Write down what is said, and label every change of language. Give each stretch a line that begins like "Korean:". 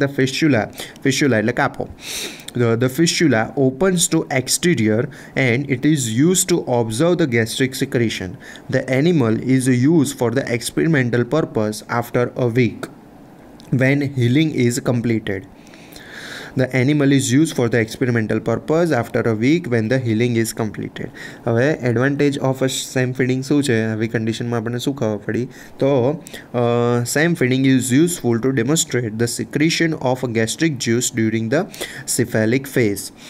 English: the fistula,
Gujarati: ફિશ્યુલા એટલે કાપો.
English: The fistula opens to exterior and it is use to observe the gastric secretion. The animal is use for the experimental purpose after a week when healing is completed. The animal is used for the experimental purpose after a week when the healing is completed.
Gujarati: હવે
English: advantage of a sham feeding
Gujarati: શું છે? આવી કન્ડિશનમાં આપણને શું ખાવા પડી?
English: તો sham feeding is useful to demonstrate the secretion of gastric juice during the cephalic phase.